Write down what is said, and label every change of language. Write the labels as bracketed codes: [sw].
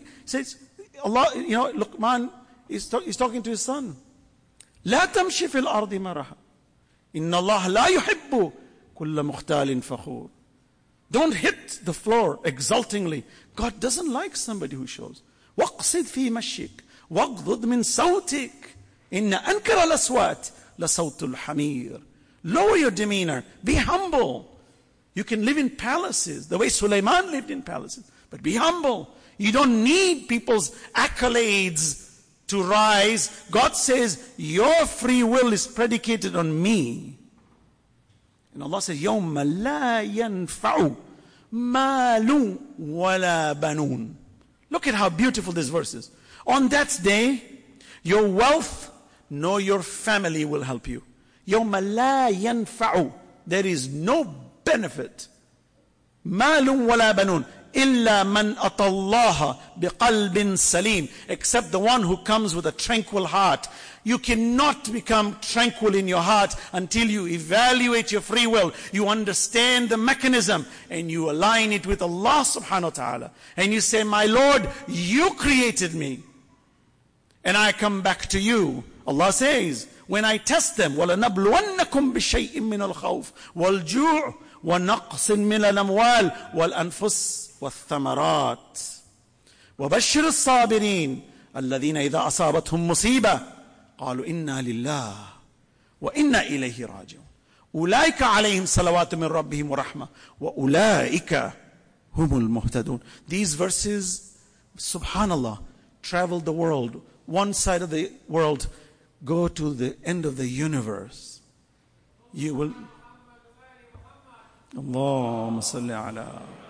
[en] He says, Allah, you know, Luqman is talking to his son. [ar] لا تمشي في الأرض مرحا إن الله لا يحب كل مختال فخور. [en] Don't hit the floor exultingly. God doesn't like somebody who shows. [ar] وقصد في مشيك وقضد من صوتك إن أنكر الأصوات لصوت الحمير. [en] Lower your demeanor. Be humble. You can live in palaces the way Sulaiman lived in palaces, but be humble. You don't need people's accolades to rise. God says, your free will is predicated on me. And Allah says, [ar] يَوْمَ لَا يَنْفَعُ مَالٌ وَلَا بَنُونَ. [en] Look at how beautiful this verse is. On that day, your wealth nor your family will help you. [ar] يَوْمَ لَا يَنْفَعُ. [en] There is no benefit. [ar] مَالٌ وَلَا بَنُونَ. إِلَّا مَنْ أَطَى اللَّهَ بِقَلْبٍ سَلِيمٍ. [en] Except the one who comes with a tranquil heart. You cannot become tranquil in your heart until you evaluate your free will. You understand the mechanism and you align it with Allah subhanahu wa ta'ala. And you say, my Lord, you created me. And I come back to you. Allah says, when I test them, [ar] وَلَنَبْلُوَنَّكُمْ بِشَيْءٍ مِّنَ الْخَوْفِ وَالْجُوعِ وَنَقْصٍ مِّنَ الْأَمْوَالِ وَالْأَنفُسِ والثمرات وبشر الصابرين الذين إذا أصابتهم مصيبة قالوا إنا لله وإنا إليه راجعون أولئك عليهم صلوات من ربهم ورحمة وأولئك هم المهتدون. [en] These verses, subhanallah, travel the world. One side of the world, go to the end of the universe. You will. [ar] اللهم صل على.